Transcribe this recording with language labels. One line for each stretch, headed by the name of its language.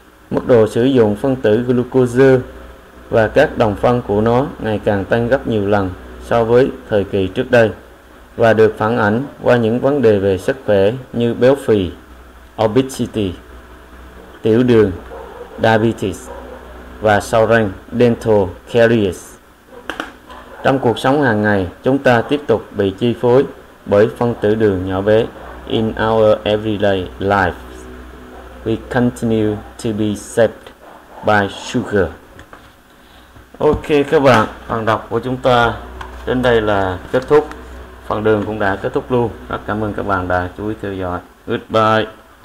Vietnamese: Mức độ sử dụng phân tử glucose và các đồng phân của nó ngày càng tăng gấp nhiều lần so với thời kỳ trước đây và được phản ánh qua những vấn đề về sức khỏe như béo phì, obesity, tiểu đường, diabetes và sau răng, dental caries. Trong cuộc sống hàng ngày, chúng ta tiếp tục bị chi phối bởi phân tử đường nhỏ bé.
English: In our everyday life, we continue to be shaped by sugar.
Vietnamese: Ok các bạn, phần đọc của chúng ta đến đây là kết thúc. Phần đường cũng đã kết thúc luôn. Rất cảm ơn các bạn đã chú ý theo dõi.
English: Goodbye.